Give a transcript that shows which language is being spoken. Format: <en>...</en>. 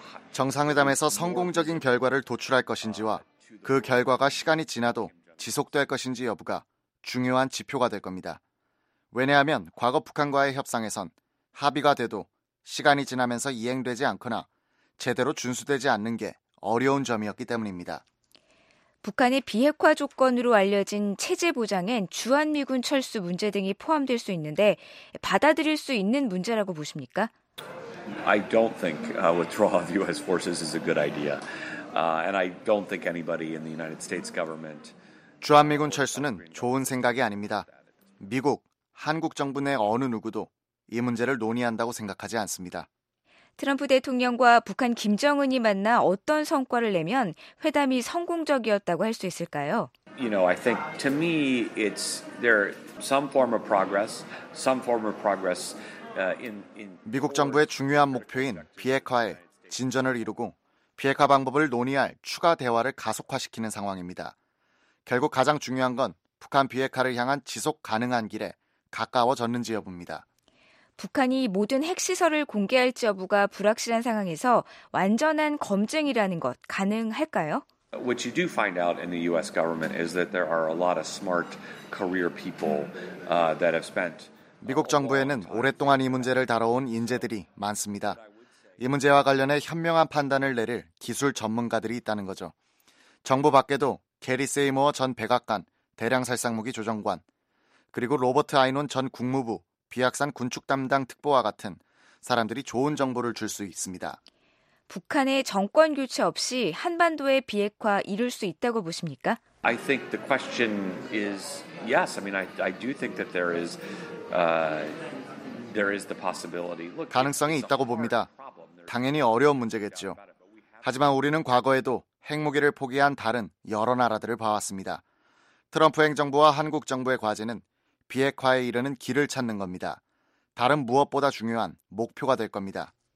<ko>정상회담에서 성공적인 결과를 도출할 것인지와 그 결과가 시간이 지나도 지속될 것인지 여부가 중요한 지표가 될 겁니다. 왜냐하면 과거 북한과의 협상에선 합의가 돼도 시간이 지나면서 이행되지 않거나 제대로 준수되지 않는 게 어려운 점이었기 때문입니다. 북한의 비핵화 조건으로 알려진 체제 보장엔 주한미군 철수 문제 등이 포함될 수 있는데 받아들일 수 있는 문제라고 보십니까?</ko> <en>I don't think withdrawal of U.S. forces is a good idea. And I don't think anybody in the United States government</en> <ko>주한미군 철수는 좋은 생각이 아닙니다. 미국, 한국 정부 내 어느 누구도 이 문제를 논의한다고 생각하지 않습니다. 트럼프 대통령과 북한 김정은이 만나 어떤 성과를 내면 회담이 성공적이었다고 할 수 있을까요?</ko> <en>You know, I think to me it's there some form of progress, some form of progress in</en> <ko>미국 정부의 중요한 목표인 비핵화에 진전을 이루고 비핵화 방법을 논의할 추가 대화를 가속화시키는 상황입니다. 결국 가장 중요한 건 북한 비핵화를 향한 지속 가능한 길에 가까워졌는지 여부입니다. 북한이 모든 핵시설을 공개할지 여부가 불확실한 상황에서 완전한 검증이라는 것 가능할까요?</ko> <en>What you do find out in the U.S. government is that there are a lot of smart career people that have spent</en> <ko>미국 정부에는 오랫동안 이 문제를 다뤄온 인재들이 많습니다. 이 문제와 관련해 현명한 판단을 내릴 기술 전문가들이 있다는 거죠. 정부 밖에도 게리 세이모어 전 백악관, 대량살상무기 조정관, 그리고 로버트 아이논 전 국무부, 비확산 군축 담당 특보와 같은 사람들이 좋은 정보를 줄 수 있습니다. 북한의 정권 교체 없이 한반도의 비핵화 이룰 수 있다고 보십니까?</ko> <en>I think the question is yes. I mean, I do think that there is the possibility.</en> <ko>가능성이 있다고 봅니다. 당연히 어려운 문제겠죠. 하지만 우리는 과거에도 핵무기를 포기한 다른 여러 나라들을 봐왔습니다. 트럼프 행정부와 한국 정부의 과제는 비핵화에 이르는 길을 찾는 겁니다. 다른 무엇보다 중요한 목표가 될 겁니다.</ko>